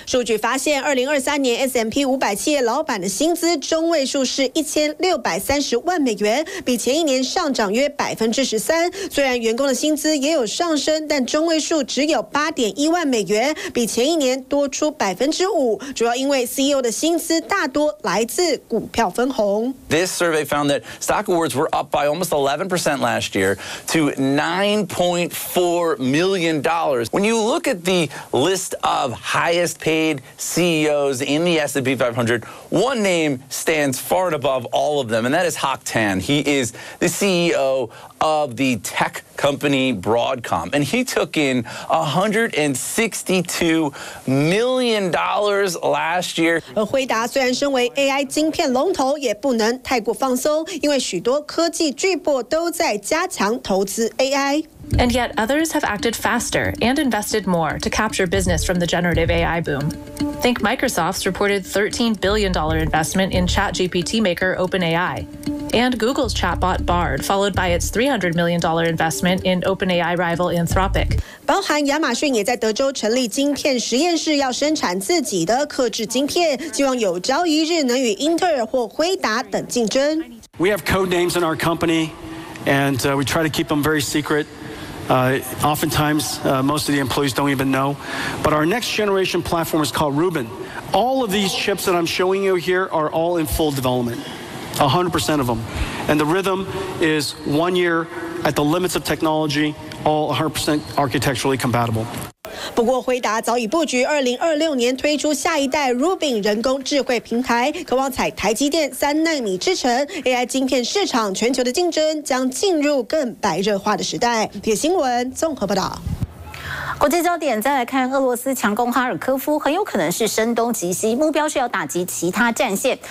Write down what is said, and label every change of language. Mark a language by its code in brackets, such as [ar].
[zh] 数据发现2023年 S&P 500企业老板的薪资中位数是$1630万，比前一年上涨约13%。虽然员工的薪资也有上升，但中位数只有$81万，比前一年多出5%。主要因为 CEO 的薪资大多来自股票分红。 [en] This survey found that stock awards were up by almost 11% last year to $9.4 million. When you look at the list of highest paid CEOs in the S&P 500, one name stands far and above all of them, and that is Hock Tan. He is the CEO of the tech company Broadcom, and he took in $162 million. Last year. [zh] 而辉达虽然身为 AI 晶片龙头，也不能太过放松，因为许多科技巨擘都在加强投资 AI。 [en] And yet others have acted faster and invested more to capture business from the generative AI boom. Think Microsoft's reported $13 billion investment in ChatGPT maker OpenAI. And Google's chatbot Bard, followed by its $300 million investment in OpenAI rival Anthropic. [zh] 包含亚马逊也在德州成立晶片实验室，要生产自己的客制晶片，希望有朝一日能与英特尔或辉达等竞争。 [en] We have code names in our company, and we try to keep them very secret. Oftentimes, most of the employees don't even know. But our next generation platform is called Rubin. All of these chips that I'm showing you here are all in full development. 100% of them. And the rhythm is 1 year at the limits of technology, all 100% architecturally compatible. [zh] 不过辉达早已布局2026年推出下一代 Rubin 人工智慧平台，渴望采台积电三纳米制程。 AI 晶片市场全球的竞争将进入更白热化的时代。铁新闻综合报道。国际焦点再来看，俄罗斯强攻哈尔科夫，很有可能是声东击西，目标是要打击其他战线。